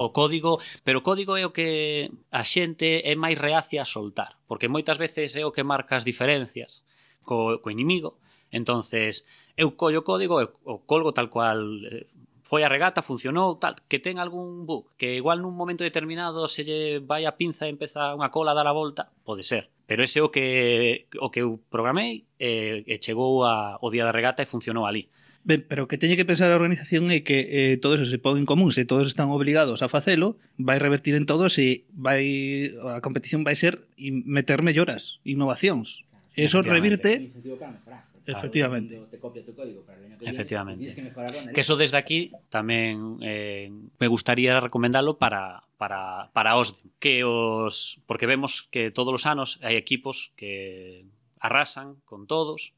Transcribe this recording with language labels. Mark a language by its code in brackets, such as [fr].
[gl] O código, pero o código é o que a xente é máis reacia a soltar, porque moitas veces é o que marca as diferencias co inimigo. Entonces, eu collo o código, o colgo tal cual foi a regata, funcionou, tal, que ten algún bug, que igual nun momento determinado se lle vai a pinza e empeza unha cola a dar a volta, pode ser. Pero ese é o que eu programei e chegou ao día da regata e funcionou ali. Ben, pero o que teñe que pensar a organización é que todo eso se pon en común, se todos están obligados a facelo, vai revertir en todo, se vai, a competición vai ser meter melloras, innovacións. Eso revirte... Efectivamente. [es] Te copia tu código para el año que viene. Efectivamente. Que eso desde aquí también me gustaría recomendarlo para OSDEM. Porque vemos que todos los años hay equipos que arrasan con todos.